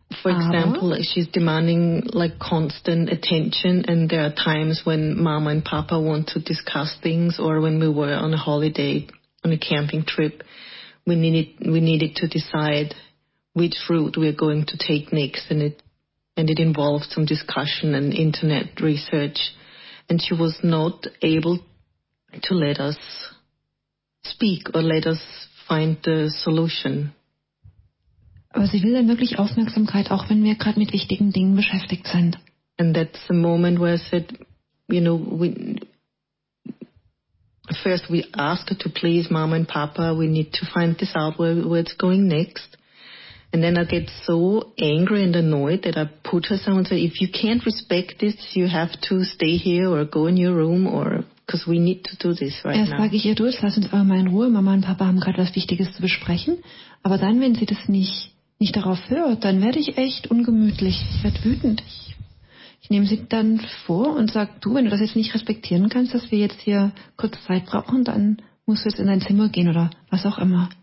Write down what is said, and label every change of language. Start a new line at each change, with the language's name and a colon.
English: For example, she's demanding like constant attention, and there are times when Mama and Papa want to discuss things, or when we were on a holiday, on a camping trip, we needed to decide which route we're going to take next, and it involved some discussion and internet research, and she was not able to let us speak or let us find the solution.
German: Aber sie will dann wirklich Aufmerksamkeit, auch wenn wir gerade mit wichtigen Dingen beschäftigt sind.
English: And that's the moment where I said, you know, we ask her to please Mama and Papa, we need to find this out where it's going next. And then I get so angry and annoyed that I put her somewhere and say, if you can't respect this, you have to stay here or go in your room or... Because we need to do this right now.
German: Erst sage ich ihr, du, lass uns aber mal in Ruhe. Mama und Papa haben gerade was Wichtiges zu besprechen. Aber dann, wenn sie das nicht darauf hört, dann werde ich echt ungemütlich. Ich werde wütend. Ich nehme sie dann vor und sage, du, wenn du das jetzt nicht respektieren kannst, dass wir jetzt hier kurz Zeit brauchen, dann musst du jetzt in dein Zimmer gehen oder was auch immer.